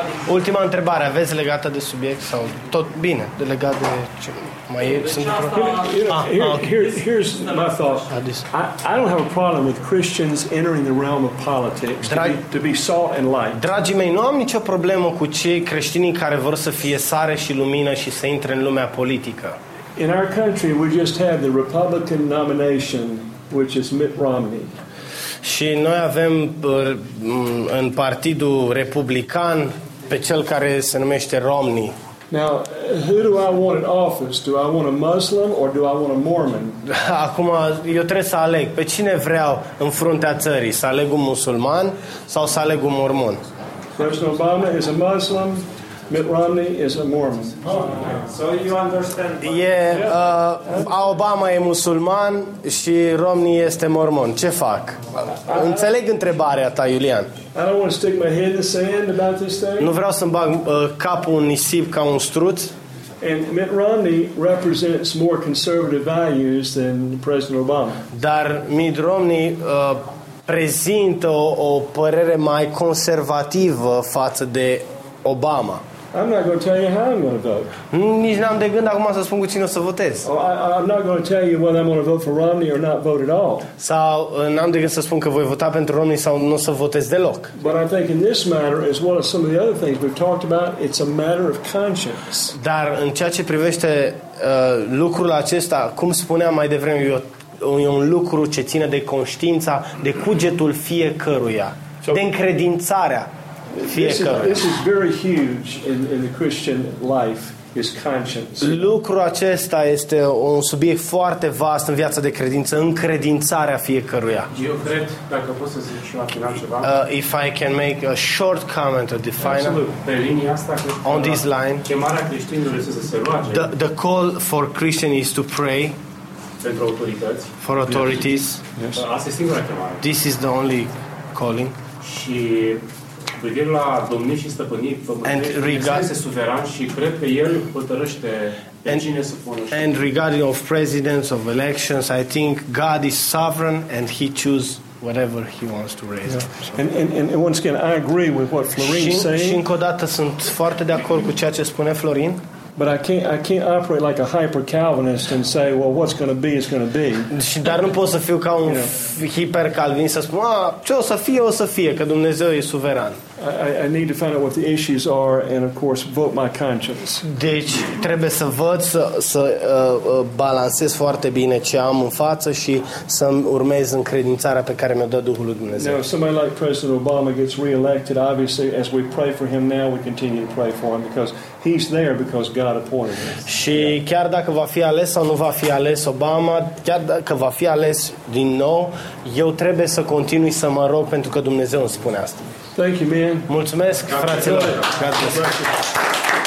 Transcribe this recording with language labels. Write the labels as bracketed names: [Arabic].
[Romanian] Ultima întrebare, aveți legată de subiect sau tot bine, de legat de ce mai e, sunt [English] here's my thought. I don't have a problem with Christians entering the realm of politics to be salt and light. [Romanian] Dragii mei, nu am nicio problemă cu cei creștinii care vor să fie sare și lumină și să intre în lumea politică. [English] In our country we just had the Republican nomination, which is Mitt Romney. [Romanian] Și noi avem în Partidul Republican pe cel care se numește Romney. [English] Now, who do I want in office? Do I want a Muslim or do I want a Mormon? [Romanian] Acum eu trebuie să aleg. Pe cine vreau în fruntea țării? Să aleg un musulman sau să aleg un mormon? [English] President Obama is a Muslim. Mitt Romney is a Mormon. Oh, so you understand? Yeah. [Romanian] Obama e musulman și Romney este mormon. Ce fac? Înțeleg întrebarea ta, Iulian. [English] I don't want to stick my head in the sand about this thing. [Romanian] Nu vreau să-mi bag capul în nisip ca un struț. [English] And Mitt Romney represents more conservative values than President Obama. [Romanian] Dar Mitt Romney prezintă o părere mai conservativă față de Obama. [English] I'm not going to tell you how I'm going to vote. [Romanian] Nici n-am de gând acum să spun cu cine o să votez. [English] I'm not going to tell you whether I'm going to vote for Romney or not vote at all. [Romanian] Sau n-am de gând să spun că voi vota pentru Romney sau nu o să votez deloc. [English] But I think in this matter, as well as some of the other things we've talked about, it's a matter of conscience. [Romanian] Dar în ceea ce privește lucrul acesta, cum spuneam mai devreme, e un lucru ce ține de conștiința, de cugetul fiecăruia, de încredințarea. [English] This is very huge in the Christian life is conscience. [Romanian] Lucru acesta este un subiect foarte vast în viața de credință, încredințarea fiecăruia. Eu cred, dacă pot să zic și la final ceva. [English] If I can make a short comment or define. [Romanian] Pe linia asta, [English] on this line. [Romanian] Chemarea creștinilor este să se roage. [English] The call for Christian is to pray. [Romanian] Pentru autorități. [English] For authorities. Yes. [Romanian] Asta e singura chemare. [English] This is the only calling. [Romanian] Și privind la domnii și stăpânii pământului, este suveran și cred că el hotărăște pe cine să folosească. [English] And regarding of presidents of elections, I think God is sovereign and he chooses whatever he wants to raise. Yeah. So. And once again, I agree with what Florin is saying. [Romanian] Și încă o dată sunt foarte de acord cu ceea ce spune Florin. [English] But I can't operate like a hyper Calvinist and say, well, what's going to be is going to be. [Romanian] Și dar nu pot să fiu ca un hiper Calvinist să spun, ce o să fie, că Dumnezeu e suveran. [English] I need to find out what the issues are and of course vote my conscience. [Romanian] Deci trebuie să văd să balancez foarte bine ce am în față și să urmez încredințarea pe care mi-o dă Duhul lui Dumnezeu. [English] Now, if somebody like President Obama gets reelected, obviously as we pray for him now, we continue to pray for him because he's there because God appointed him. [Romanian] Și chiar dacă va fi ales sau nu va fi ales Obama, chiar dacă va fi ales din nou, eu trebuie să continui să mă rog pentru că Dumnezeu îmi spune asta. [English] Thank you, man. [Romanian] Mulțumesc, fraților. [English] God bless you.